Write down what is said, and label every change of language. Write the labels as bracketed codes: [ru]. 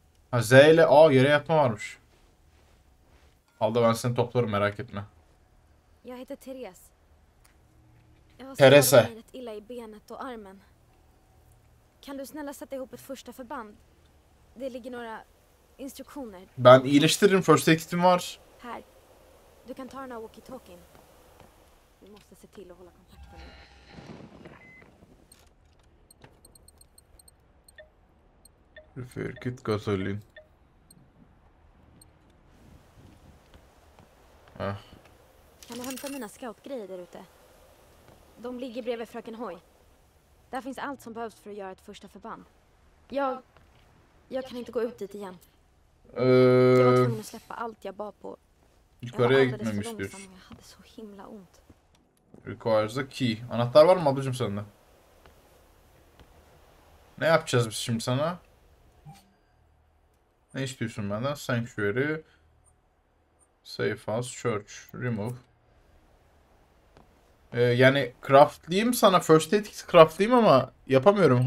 [tr] Ha, Z ile A yere yatma varmış. Al da ben seni toplarım merak etme. [sv] Jag heter Therese. Jag har skadat Teresa. mig rätt illa i benet och armen. Kan du snälla sätta ihop ett första förband? Det ligger några instruktioner. [tr] Ben iyileştiririm. First aid'im var. [sv] Här. Du kan ta den här walkie-talkien. Vi måste se till att hålla kontakten nu. Refer gasolin. Ah. Kan du hämta mina scoutgrejer där ute? De ligger bredvid fröken Hoy. Där finns allt som behövs för att göra ett första förband. Jag kan inte gå ut dit igen. Jag var tvungen att släppa allt jag bar på. Jag var [tr] Yukarıya [sv] alldeles för långsam [tr] gitmemiştir. [sv] och jag hade så himla ont. [en] Requires the key. [tr] Anahtar var mı ablacığım sende? Ne yapacağız biz şimdi sana? Ne istiyorsun benden? [en] Sanctuary. Safe house. Church. Remove. [tr] Yani craftlayayım sana. First aid kit craftlayayım ama yapamıyorum.